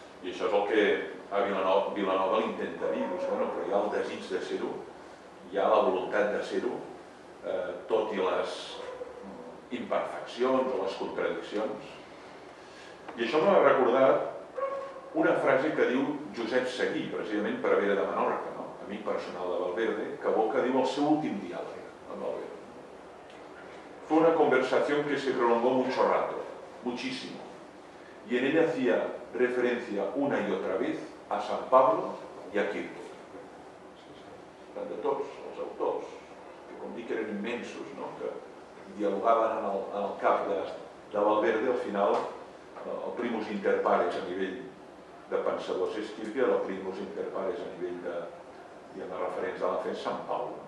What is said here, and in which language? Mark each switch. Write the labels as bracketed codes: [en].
[ca] I això és el que a Vilanova l'intenta dir, doncs, bueno, però hi ha el desig de ser-ho, hi ha la voluntat de ser-ho, tot i les imperfeccions o les contradiccions. I això m'ha recordat una frase que diu Josep Seguí, precisament per a Vera de Menorca, no? Amic personal de Valverde, que Boca diu el seu últim diàleg amb Valverde. [es] Fue una conversación que se prolongó mucho rato, muchísimo, y en ella hacía referencia una y otra vez a San Pablo y a Kierkegaard. [ca] Tant de tots els autors, que com dic eren immensos, no? Que dialogaven en el cap de Valverde, al final el primus inter pares a nivell de pensadors és Kierkegaard, el primus inter pares a nivell de, diguem, de referents de la fe, Sant Pau.